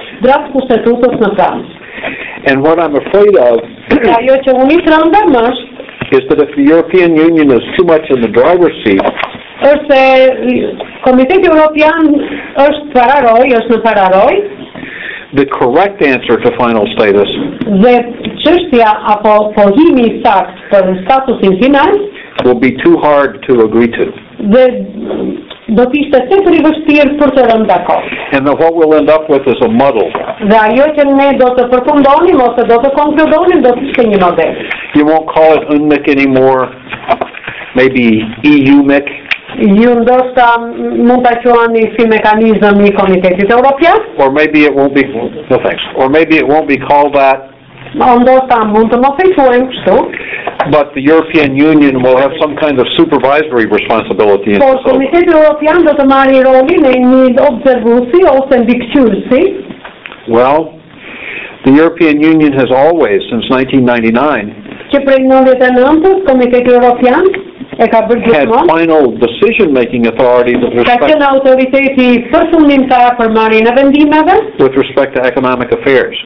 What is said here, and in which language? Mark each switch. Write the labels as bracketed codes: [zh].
[en] And what I'm afraid of is that if the European Union is too much in the driver's seat [sq] ose Komiteti Evropian është pararoj, është në pararoj. [en] The correct answer to final status. [sq] Dhe çështja apo pohimi I sakt për statusin final [en] will be too hard to agree to. [sq] Dhe do të ishte tepër I vështirë për të rënë dakord. [en] And then what we'll end up with is a muddle. [sq] Dhe ajo që ne do të përfundonim ose do të konkludonim do të ishte një model. [en] You won't call it UNMIC anymore. Maybe EU-MIC. [sq] Ju ndoshta mund ta quani si mekanizëm I Komitetit Evropian. [en] Or maybe it won't be called that. [sq] Ndoshta mund të mos e quajmë kështu. [en] But the European Union will have some kind of supervisory responsibility. [sq] Por Komiteti Evropian do të marrë rolin e një observuesi ose ndikuesi. [en] Well, the European Union has always, since 1999, [sq] që prej 99, Komiteti Evropian [en] had final decision-making authority with respect to economic affairs.